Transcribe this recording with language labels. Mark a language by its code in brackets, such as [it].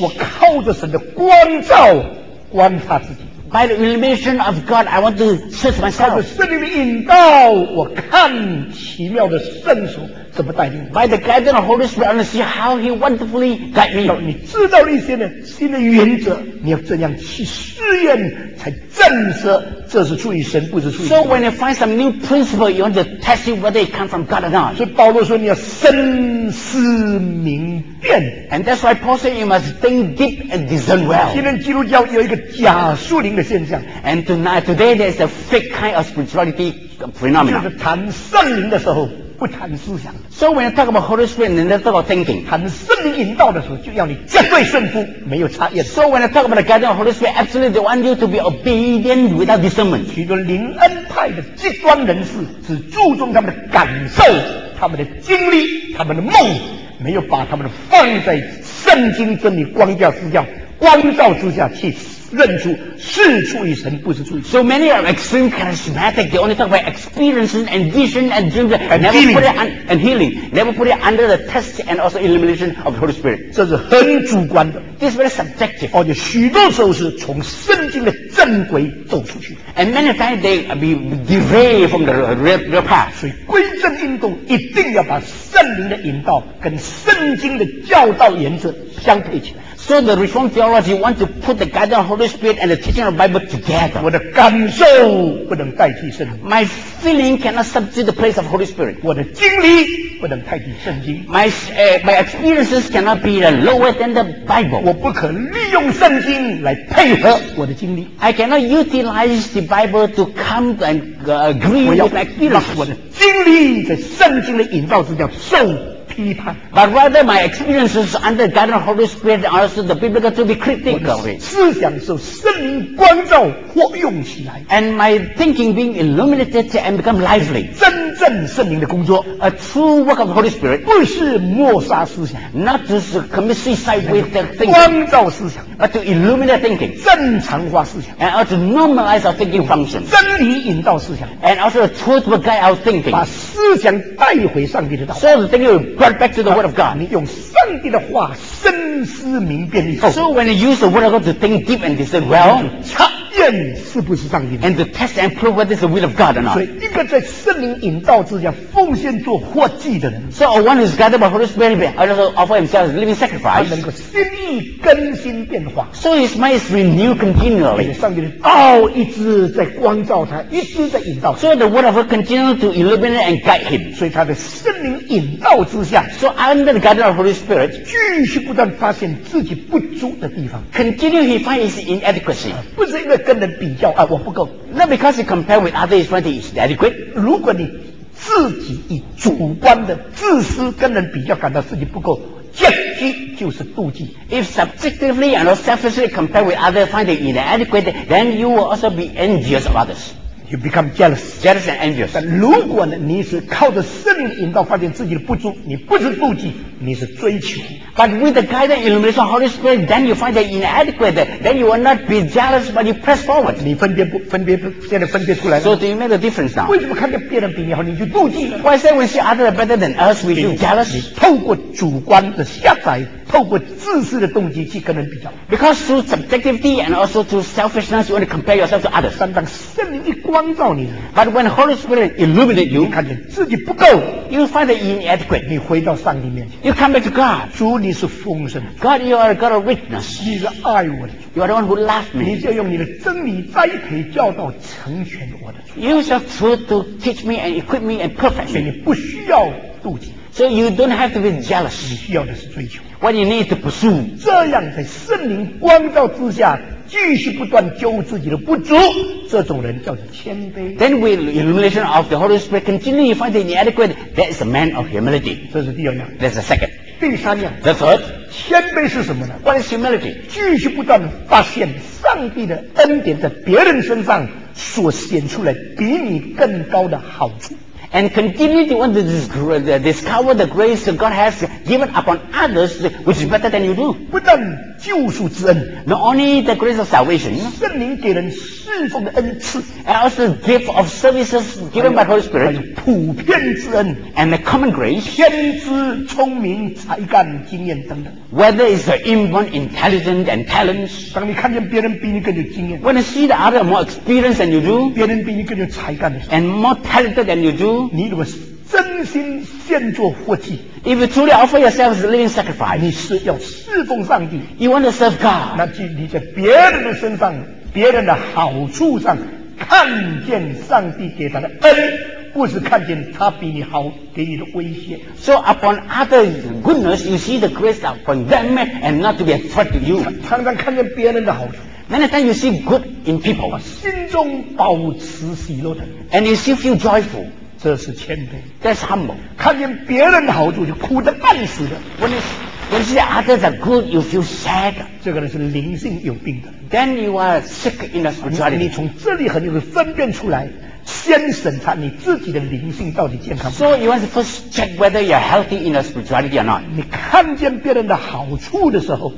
[zh] 我靠着神的光照观察自己 [en] By the illumination of God I want to search myself [zh] 靠着圣灵的引导我看奇妙的圣所怎么带领 [en] By the guidance of the Holy Spirit, I want to see how He wonderfully guide me. [zh] 你知道了一些呢新的原则，你要这样去试验，才证实这是出于神，不是出于。 [en] So when you find some new principle, you want to test it whether it comes from God or not. [zh] 所以保罗说你要深思明辨。 [en] And that's why Paul said you must think deep and discern well. [zh] 今天基督教有一个假树林的现象。 [en] And tonight, today there is a fake kind of spirituality phenomenon. [zh] 就是谈圣灵的时候。不谈思想的。 [en] So when you talk about Holy Spirit, then that's about thinking. [zh] 谈圣灵引导的时候，就要你绝对顺服，没有差异。 [en] So when you talk about the guidance of Holy Spirit, absolutely they want you to be obedient without discernment. [zh] 许多灵恩派的极端人士只注重他们的感受、他们的经历、他们的梦，没有把他们放在圣经真理光教之下、光照之下去。认出是出于神，不是出于神。 [en] So many are extreme charismatic. They only talk about experiences and vision and dreams, and healing. Never put it under the test and also illumination of the Holy Spirit. [zh] 这是很主观的。 [en] This is very subjective. [zh] 而且许多时候是从圣经的正轨走出去。 [en] And many times they be derailed from the real path. [zh] 所以归正运动一定要把圣灵的引导跟圣经的教导原则相配起来。 [en] So the Reformed theology wants to put the guidance of the Holy Spirit and the teaching of the Bible together. [zh] 我的感受不能代替圣经。 [en] My feeling cannot substitute the place of the Holy Spirit. [zh] 我的经历不能代替圣经。 [en] My experiences cannot be lower than the Bible. [zh] 我不可利用圣经来配合我的经历。 [en] I cannot utilize the Bible to come and agree with my experience. [zh] 我的经历在圣经的引导之下受。 [en] But rather my experiences under the guidance of the Holy Spirit are also the biblical to be critical. [zh] 我的思想受圣灵光照活用起来。 [en] And my thinking being illuminated and become lively. [zh] 真正圣灵的工作。 [en] A true work of the Holy Spirit. [zh] 不是抹杀思想。 [en] Not to commit suicide with the thinking. [zh] 光照思想。 [en] But to illuminate thinking. [zh] 正常化思想。 [en] And also to normalize our thinking function. [zh] 真理引导思想。 [en] And also the truth will guide our thinking. [zh] 把思想带回上帝的道。 [en] So the thinking will brought back to the word of God. [zh] 你用上帝的话深思明辨以后 [en] So when you use the word of God to think deep and discern well, [zh] 查验是不是上帝的 [en] And to test and prove whether it's the will of God or not. [zh] 所以一个在圣灵引导之下奉献做活祭的人 [en] So one who is guided by the Holy Spirit and also offer himself as a living sacrifice. [zh] 他能够心意更新变化 [en] So his mind is renewed continually. [zh] 上帝的道一直在光照他一直在引导 [en] So the word of God continues to illuminate and guide him. [zh] 所以他的圣灵引导之下 [en] So under the guidance of the Holy Spirit, [zh] 继续不断发现自己不足的地方 [en] Continue he finds his inadequacy. [zh] 不是因为跟人比较、啊、我不够 [en] Not because you compare with others, but it's inadequate. [zh] 如果你自己以主观的自私跟人比较感到自己不够借机就是妒忌 [en] If subjectively and selfishly compare with others, find it inadequate, then you will also be envious of others. You become jealous. Jealous and envious. [zh] 但如果呢你是靠着圣灵引导发现自己的不足你不是妒忌你是追求 [en] But with the guidance and illumination of the Holy Spirit, then you find it inadequate, then you will not be jealous, but you press forward. [zh] 你分别出来了 [en] So do you make a difference now? [zh] 为什么看见别人比你好你就妒忌了 [en] Why say we see others better than us, we do jealous? [zh] 你透过主观的狭窄透过自私的动机去跟人比较 [en] Because through subjectivity and also through selfishness, you want to compare yourself to others. [zh] 但当圣灵一光照你 [en] But when the Holy Spirit illuminates you, [zh] 你看见自己不够 [en] You find it inadequate. [zh] 你回到上帝面前 [en] You come back to God. [zh] 主你是丰盛 [en] God, you are a God of witness. [zh] 你是爱我的主 [en] You are the one who loves me. [zh] 你就用你的真理栽培教导成全我的主 [en] Use your truth to teach me and equip me and perfect me. [zh] 所以你不需要妒忌 [en] So you don't have to be jealous. [zh] 你需要的是追求 [en] What you need to pursue. [zh] 这样在圣灵光照之下继续不断揪自己的不足这种人叫做谦卑 [en] Then with illumination of the Holy Spirit continually you find it inadequate that is a man of humility. [zh] 这是第二样 [en] That's the second. [zh] 第三样 [en] The third. [zh] 谦卑是什么呢 [en] What is humility? [zh] 继续不断发现上帝的恩典在别人身上所显出来比你更高的好处 [en] And continue to want to discover the grace that God has given upon others, which is better than you do. [zh] 不但救赎之恩 [en] not only the grace of salvation, [zh] 圣灵给人侍奉的恩赐 [en] and also the gift of services given by the Holy Spirit, [zh] 还有普遍之恩 [en] and the common grace, [zh] 天资、聪明、才干、经验等等 [en] whether it's the inborn intelligence and talents, [zh] 当你看见别人比你更有经验 [en] when you see the other more experienced than you do, [zh] 别人比你更有才干的 [en] and more talented than you do, [zh] 你如果真心献作活祭 [en] If you truly offer yourself as a living sacrifice [zh] 你是要侍奉上帝 [en] You want to serve God [zh] 那就你在别人的身上别人的好处上看见上帝给他的恩不是看见他比你好给你的威胁 [en] So upon others goodness you see the grace upon them and not to be a threat to you [zh] 常常看见别人的好处 [en] Many times you see good in people [zh] 心中保持喜乐的 [en] And you still feel joyful [zh] 这是谦卑。 [en] That's humble. [zh] 看见别人的好处就哭得半死的。 [en] When you see others are good, you feel sad. [zh] 这个人是灵性有病的。 [en] Then you are sick in the spirituality. [zh] 你从这里很容易分辨出来，先审查你自己的灵性到底健康。 [en] So you want to first check whether you're healthy in the spirituality or not. [zh] 你看见别人的好处的时候